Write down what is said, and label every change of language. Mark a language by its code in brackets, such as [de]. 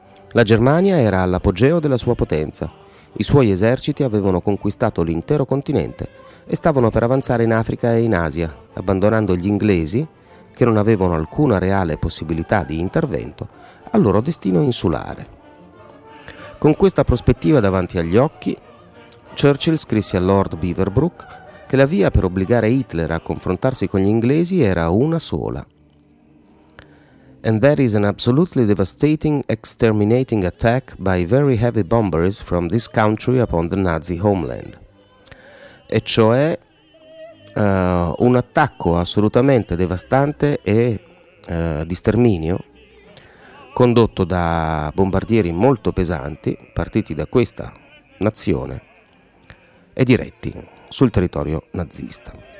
[it] La Germania era all'apogeo della sua potenza. I suoi eserciti avevano conquistato l'intero continente e stavano per avanzare in Africa e in Asia, abbandonando gli inglesi, che non avevano alcuna reale possibilità di intervento, al loro destino insulare. Con questa prospettiva davanti agli occhi, Churchill scrisse a Lord Beaverbrook che la via per obbligare Hitler a confrontarsi con gli inglesi era una sola. [en] And that is an absolutely devastating, exterminating attack by very heavy bombers from this country upon the Nazi homeland. [it] E cioè un attacco assolutamente devastante e di sterminio condotto da bombardieri molto pesanti partiti da questa nazione e diretti sul territorio nazista.